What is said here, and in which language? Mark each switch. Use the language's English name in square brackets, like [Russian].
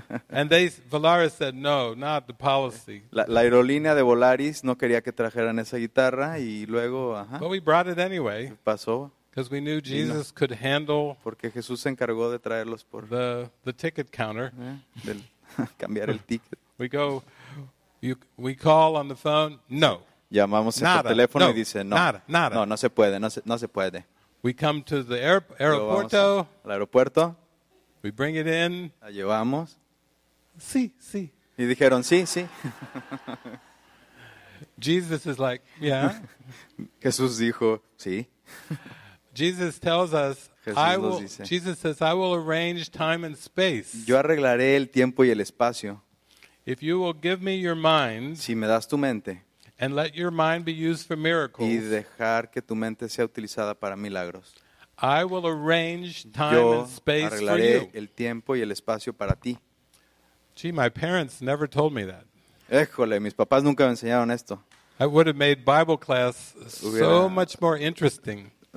[English] And they, Valaris said, no, not the policy. [Spanish] La aerolínea de Volaris no quería que trajeran esa guitarra y luego, ajá. [English] But we brought it anyway. [Spanish] Pasó. [English] Because we knew Jesus could handle [Spanish] porque Jesús se encargó de traerlos por [English] the ticket counter. [Spanish] Del cambiar el ticket. [English] We go, we call on the phone, no. [Spanish] Llamamos nada, por teléfono no, y dice, no. Nada, nada. No, no se puede, no se puede. [English] We come to the aeropuerto. [Spanish] Al aeropuerto. [English] We bring it in. [Spanish] La llevamos. Sí, sí. Y dijeron, sí, sí. [English] Jesus is like, yeah. [Spanish] Jesús dijo, sí. [English] Jesus tells us, Jesus says, I will arrange time and space. [Spanish] Yo arreglaré el tiempo y el espacio. [English] If you will give me your mind, [Spanish] si me das tu mente, [English] and let your mind be used for miracles, [Spanish] y dejar que tu mente sea utilizada para milagros, [English] I will arrange time and space for you. [Spanish] Yo arreglaré el tiempo y el espacio para ti. [English] Gee, my parents never told me that. [Spanish] Éjole, mis papás nunca me enseñaron esto. [English] I would have made Bible class so much more interesting.